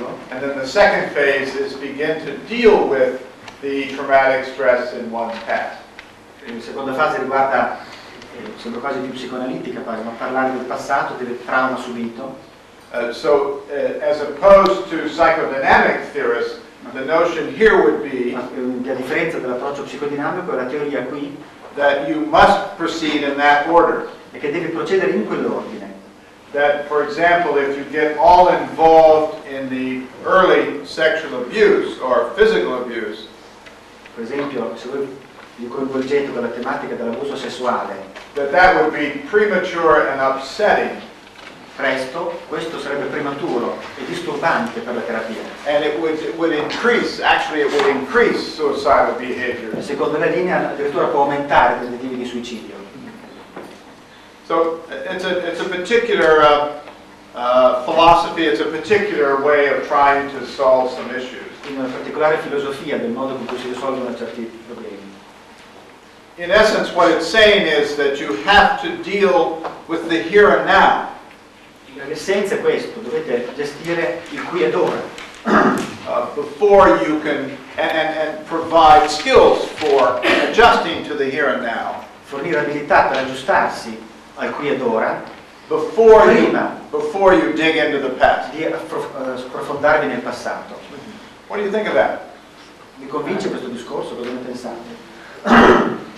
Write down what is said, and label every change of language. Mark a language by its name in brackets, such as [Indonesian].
[English] And then the second phase is begin to deal with the traumatic stress in one's past. [Italian] La seconda fase riguarda, sembra quasi più psicoanalitica, ma parlare del passato, del trauma subito. [English] So, as opposed to psychodynamic theorists, the notion here would be, [Italian] a differenza dell'approccio psicodinamico, la teoria qui, [English] that you must proceed in that order. [Italian] E che devi procedere in quell'ordine. [English] That, for example, if you get all involved in the early sexual abuse or physical abuse, [Italian] per esempio, se voi vi coinvolgete con la tematica dell'abuso sessuale, [English] that would be premature and upsetting. [Italian] Presto, questo sarebbe prematuro e disturbante per la terapia. [English] And it would increase, actually it would increase suicidal behavior. [Italian] Secondo la linea, addirittura può aumentare le tentative di suicidio. [English] So it's a particular philosophy, it's a particular way of trying to solve some issues. [Italian] In una particolare filosofia del modo con cui si risolvono certi problemi. [English] In essence, what it's saying is that you have to deal with the here and now. [Italian] L'essenza è questo, dovete gestire il qui ed ora. [English] Before you can and provide skills for adjusting to the here and now. [Italian] Fornire abilità per aggiustarsi al qui ed ora. [English] Before [Italian] prima [English] before you dig into the past. [Italian] Di approfondarvi nel passato. [English] What do you think of that? [Italian] Mi convince questo discorso, cosa ne pensate?